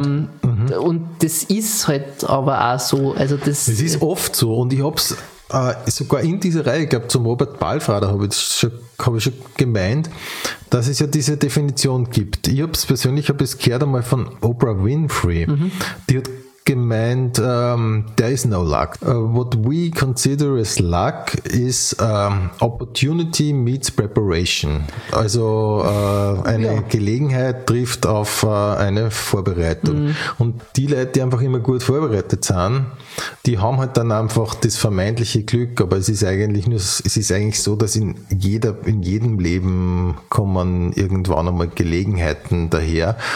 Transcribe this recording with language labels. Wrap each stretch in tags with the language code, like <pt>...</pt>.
<de>Und das ist halt aber auch so. Also das ist oft so und ich habe es sogar in dieser Reihe, ich glaube zum Robert Ballfrader habe ich schon gemeint, dass es ja diese Definition gibt. Ich habe es persönlich gehört einmal von Oprah Winfrey. Die hat gemeint,</de> <en>there is no luck. What we consider as luck is opportunity meets preparation.</en> <de>Also Gelegenheit trifft auf eine Vorbereitung. Mhm. Und die Leute, die einfach immer gut vorbereitet sind, die haben halt dann einfach das vermeintliche Glück, aber es ist eigentlich so, dass in jedem Leben kommen irgendwann einmal Gelegenheiten daher.</de>